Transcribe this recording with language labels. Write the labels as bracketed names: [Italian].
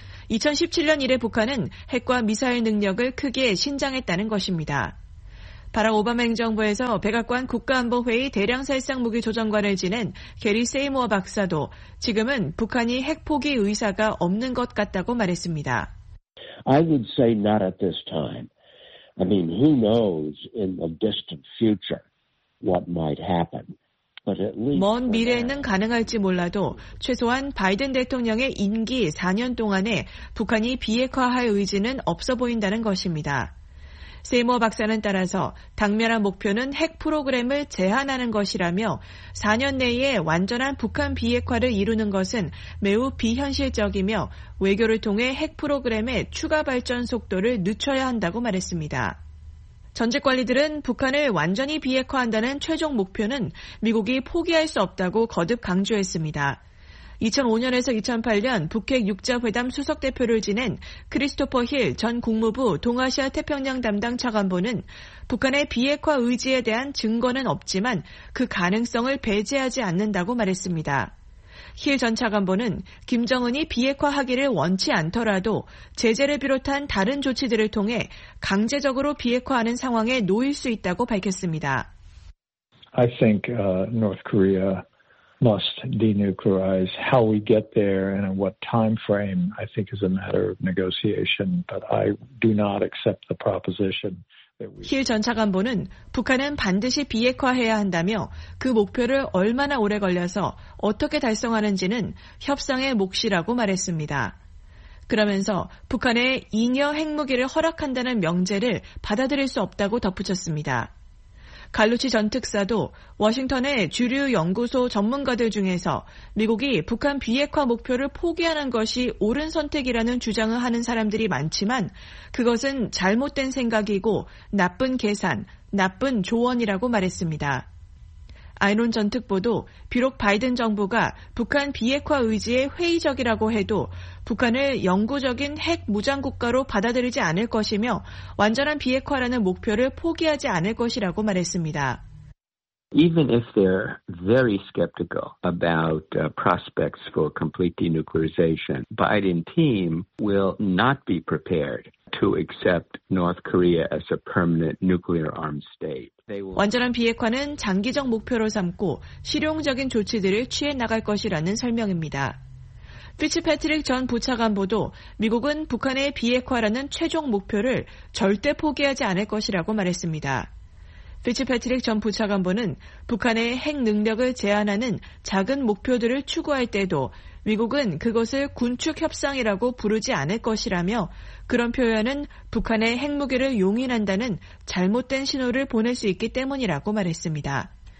[Korean] 2017년 이래 북한은 핵과 미사일 능력을 크게 신장했다는 것입니다. 바락 오바마 행정부에서 백악관 국가안보회의 대량살상무기조정관을 지낸 게리 세이모어 박사도 지금은 북한이 핵포기 의사가 없는 것 같다고 말했습니다. [English] I would say not at this time. I mean, who knows in the distant future what might happen. [Korean] 먼 미래에는 가능할지 몰라도 최소한 바이든 대통령의 임기 4년 동안에 북한이 비핵화할 의지는 없어 보인다는 것입니다. 세이머 박사는 따라서 당면한 목표는 핵 프로그램을 제한하는 것이라며 4년 내에 완전한 북한 비핵화를 이루는 것은 매우 비현실적이며 외교를 통해 핵 프로그램의 추가 발전 속도를 늦춰야 한다고 말했습니다. 전직 관리들은 북한을 완전히 비핵화한다는 최종 목표는 미국이 포기할 수 없다고 거듭 강조했습니다. 2005년에서 2008년 북핵 6자회담 수석대표를 지낸 크리스토퍼 힐 전 국무부 동아시아 태평양 담당 차관보는 북한의 비핵화 의지에 대한 증거는 없지만 그 가능성을 배제하지 않는다고 말했습니다. 힐 전 차관보는 김정은이 비핵화하기를 원치 않더라도 제재를 비롯한 다른 조치들을 통해 강제적으로 비핵화하는 상황에 놓일 수 있다고 밝혔습니다. [English] I think North Korea must denuclearize. How we get there and in what time frame, I think, is a matter of negotiation. But I do not accept the proposition. [Korean] 힐 전 차관보는 북한은 반드시 비핵화해야 한다며 그 목표를 얼마나 오래 걸려서 어떻게 달성하는지는 협상의 몫이라고 말했습니다. 그러면서 북한에 잉여 핵무기를 허락한다는 명제를 받아들일 수 없다고 덧붙였습니다. 갈루치 전 특사도 워싱턴의 주류 연구소 전문가들 중에서 미국이 북한 비핵화 목표를 포기하는 것이 옳은 선택이라는 주장을 하는 사람들이 많지만 그것은 잘못된 생각이고 나쁜 계산, 나쁜 조언이라고 말했습니다. 아이논 전 특보도 비록 바이든 정부가 북한 비핵화 의지에 회의적이라고 해도 북한을 영구적인 핵 무장 국가로 받아들이지 않을 것이며 완전한 비핵화라는 목표를 포기하지 않을 것이라고 말했습니다. [English] Even if they're very skeptical about prospects for complete denuclearization, Biden team will not be prepared to accept North Korea as a permanent nuclear armed state. [Korean] 완전한 비핵화는 장기적 목표로 삼고 실용적인 조치들을 취해 나갈 것이라는 설명입니다. 피츠패트릭 전 부차관보도 미국은 북한의 비핵화라는 최종 목표를 절대 포기하지 않을 것이라고 말했습니다. 피츠패트릭 전 부차관보는 북한의 핵 능력을 제한하는 작은 목표들을 추구할 때도 미국은 그것을 군축 협상이라고 부르지 않을 것이라며 그런 표현은 북한의 핵무기를 용인한다는 잘못된 신호를 보낼 수 있기 때문이라고 말했습니다.